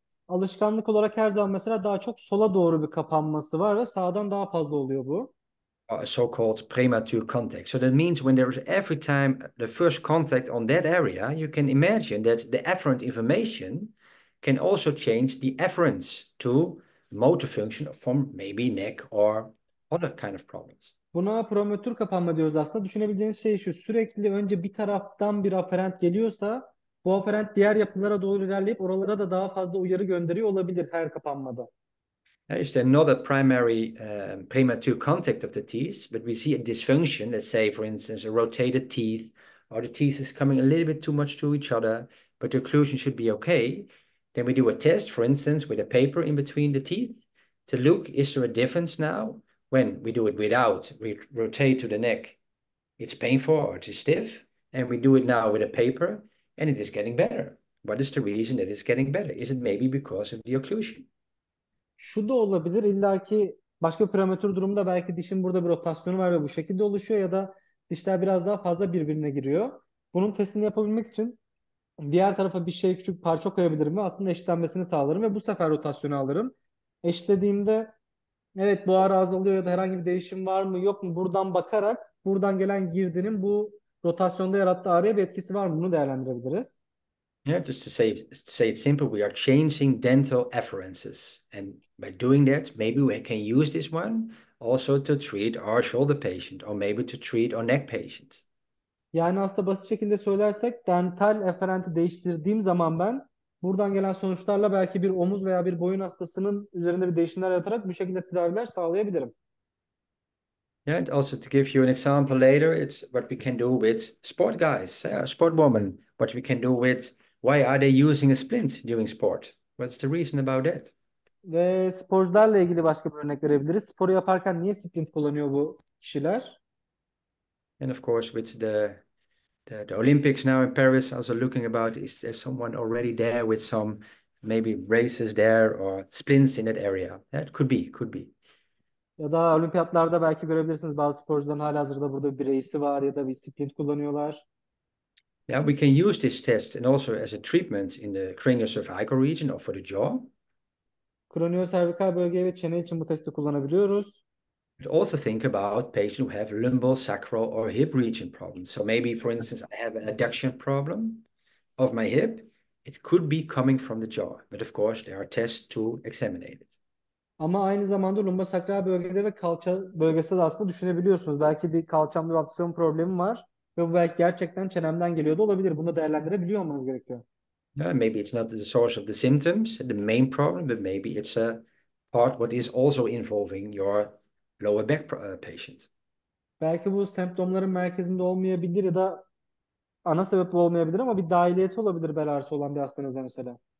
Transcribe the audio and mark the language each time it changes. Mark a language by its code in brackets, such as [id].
[tr] Alışkanlık olarak her zaman mesela daha çok sola doğru bir kapanması var ve sağdan daha fazla oluyor bu. [en] So-called prematur contact. So that means when there is every time the first contact on that area, you can imagine that the afferent inflammation can also change the afferents to motor function from maybe neck or other kind of problems. [tr] Buna promotür kapanma diyoruz aslında. Düşünebileceğiniz şey şu: sürekli önce bir taraftan bir aferent geliyorsa bu aferent diğer yapılara doğru ilerleyip oralara da daha fazla uyarı gönderiyor olabilir her kapanmada. [en] It's not a primary premature contact of the teeth, but we see a dysfunction, let's say, for instance, a rotated teeth, or the teeth is coming a little bit too much to each other, but the occlusion should be okay. Then we do a test, for instance, with a paper in between the teeth to look, is there a difference now? When we do it without, we rotate to the neck, it's painful or it is stiff, and we do it now with a paper, and it is getting better. What is the reason that it's getting better? Is it maybe because of the occlusion? [tr] Şu da olabilir. İlla ki başka prematür durumda belki dişin burada bir rotasyonu var ve bu şekilde oluşuyor ya da dişler biraz daha fazla birbirine giriyor. Bunun testini yapabilmek için diğer tarafa bir şey küçük parça koyabilirim ve aslında eşitlenmesini sağlarım ve bu sefer rotasyonu alırım. Eşitlediğimde evet bu ağrı azalıyor ya da herhangi bir değişim var mı yok mu buradan bakarak buradan gelen girdinin bu rotasyonda yarattığı ağrıya bir etkisi var mı bunu değerlendirebiliriz. [en] Yeah, just to say it simple, we are changing dental afferences. And by doing that, maybe we can use this one also to treat our shoulder patient or maybe to treat our neck patient. [tr] Yani aslında basit şekilde söylersek dental eferenti değiştirdiğim zaman ben buradan gelen sonuçlarla belki bir omuz veya bir boyun hastasının üzerinde bir değişimler yaratarak bu şekilde tedaviler sağlayabilirim. [en] Yeah, and also to give you an example later, it's what we can do with sport guys, sport women. What we can do with, why are they using a splint during sport? What's the reason about that? [tr] Ve sporcularla ilgili başka bir örnek verebiliriz. Sporu yaparken niye splint kullanıyor bu kişiler? [en] And of course, with the Olympics now in Paris, also looking about, is there someone already there with some maybe braces there or splints in that area? That could be. [tr] Ya da olimpiyatlarda belki görebilirsiniz bazı sporcuların halihazırda burada bir reisi var ya da bir splint kullanıyorlar. [en] Yeah, we can use this test and also as a treatment in the craniosurfacial region or for the jaw. [tr] Kronyo-servikal bölge ve çene için bu testi kullanabiliyoruz. [en] But also think about patients who have lumbosacral or hip region problems. So maybe, for instance, I have an adduction problem of my hip. It could be coming from the jaw. But of course, there are tests to examine it. [tr] Ama aynı zamanda lumbosakral bölgede ve kalça bölgesinde de aslında düşünebiliyorsunuz. Belki bir kalçamda rotasyon problemi var ve bu belki gerçekten çenemden geliyor da olabilir. Bunu da değerlendirebiliyor olmanız gerekiyor. [en] Maybe it's not the source of the symptoms, the main problem, but maybe it's a part what is also involving your lower back patient. [tr] Belki bu semptomların merkezinde olmayabilir ya da ana sebep olmayabilir ama bir dahiliyeti olabilir bel ağrısı olan bir hastanızda mesela.